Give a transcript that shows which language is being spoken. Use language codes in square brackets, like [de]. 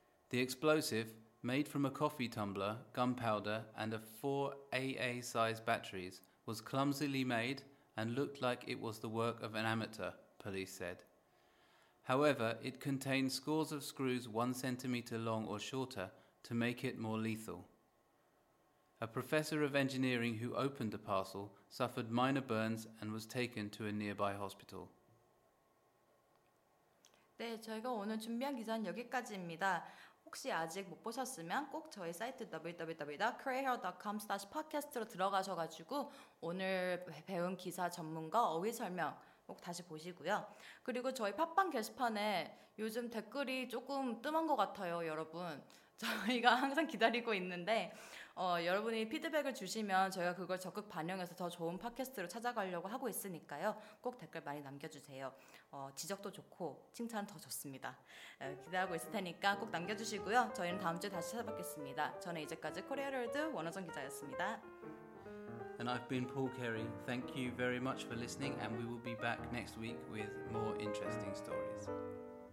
[en] The explosive, made from a coffee tumbler, gunpowder, and a 4 AA-sized batteries, was clumsily made and looked like it was the work of an amateur, police said. However, it contains scores of screws 1 centimeter long or shorter to make it more lethal. A professor of engineering who opened the parcel suffered minor burns and was taken to a nearby hospital. [ko] 네, 저희가 오늘 준비한 기사는 여기까지입니다. 혹시 아직 못 보셨으면 꼭 저희 사이트 www.korea.com/podcast로 들어가셔가지고 오늘 배운 기사 전문가 어휘 설명 꼭 다시 보시고요. 그리고 저희 팟빵 게시판에 요즘 댓글이 조금 뜸한 것 같아요, 여러분. 저희가 항상 기다리고 있는데 여러분이 피드백을 주시면 저희가 그걸 적극 반영해서 더 좋은 팟캐스트로 찾아가려고 하고 있으니까요. 꼭 댓글 많이 남겨주세요. 지적도 좋고 칭찬 더 좋습니다. 기대하고 있을 테니까 꼭 남겨주시고요. 저희는 다음 주에 다시 찾아뵙겠습니다. 저는 이제까지 코리아 월드 원어정 기자였습니다. [en] And I've been Paul Carey. Thank you very much for listening, and we will be back next week with more interesting stories.